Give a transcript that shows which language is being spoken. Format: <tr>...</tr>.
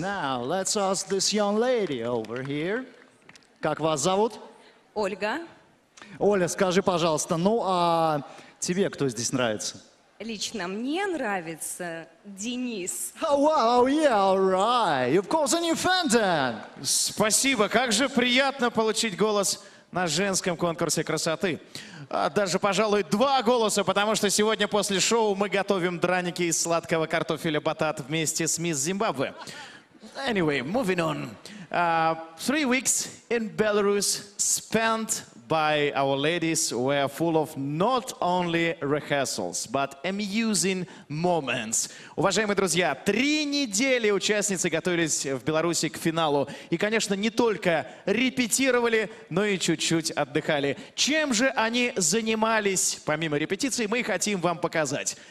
<en>Now, let's ask this young lady over here.</en> <ru>Как вас зовут? Ольга. Оля, скажи, пожалуйста, ну а тебе кто здесь нравится? Лично мне нравится Денис.</ru> <en>Oh, wow, yeah, all right. You've caused a new fan then.</en> <ru>Спасибо. Как же приятно получить голос на женском конкурсе красоты. Даже, пожалуй, два голоса, потому что сегодня после шоу мы готовим драники из сладкого картофеля батат вместе с мисс Зимбабве.</ru> <en>Anyway, moving on. Three weeks in Belarus spent by our ladies were full of not only rehearsals, but amusing moments.</en> <ru>Уважаемые друзья, три недели участницы готовились в Беларуси к финалу. И, конечно, не только репетировали, но и чуть-чуть отдыхали. Чем же они занимались, помимо репетиций, мы хотим вам показать.</ru>